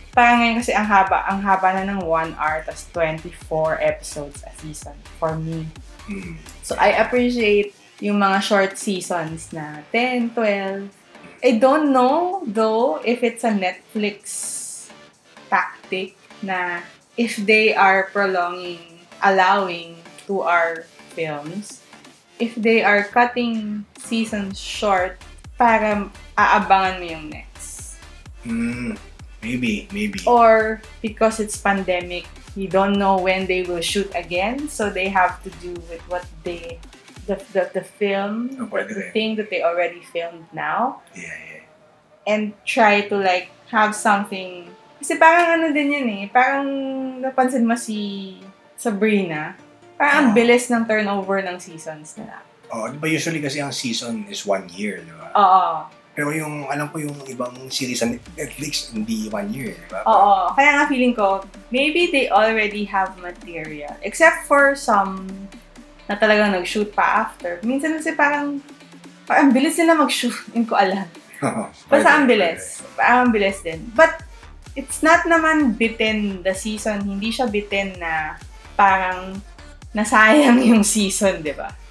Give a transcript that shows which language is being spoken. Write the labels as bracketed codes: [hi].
[tl] Parang ngayon kasi ang haba na ng 1 hour tas 24 episodes a season for me. [en] So, I appreciate [tl] yung mga [en] short seasons na 10, 12. I don't know, though, if it's a Netflix tactic na if they are prolonging, allowing 2-hour films, if they are cutting seasons short [tl] para aabangan mo yung next. [en] Maybe. Or because it's pandemic, you don't know when they will shoot again, so they have to do with what they, the film, the thing that they already filmed now. Yeah. And try to like have something. [tl] Kasi parang ano din yun eh, parang napansin mo si Sabrina, parang ang bilis ng turnover ng seasons nila. Oh, di ba usually kasi ang season is 1 year, di ba? Oo. Pero yung, alam ko yung ibang series ng Netflix, hindi 1 year, di ba? Oo. Kaya nga feeling ko, [en] maybe they already have material. Except for some [tl] na talagang nag-shoot pa after. Minsan kasi parang ang bilis nila mag-shoot. Hindi ko alam. Basta ang bilis. Parang ang bilis din. [en] But it's not [tl] naman bitin [en] the season. [tl] Hindi siya bitin na parang nasayang yung season, di ba?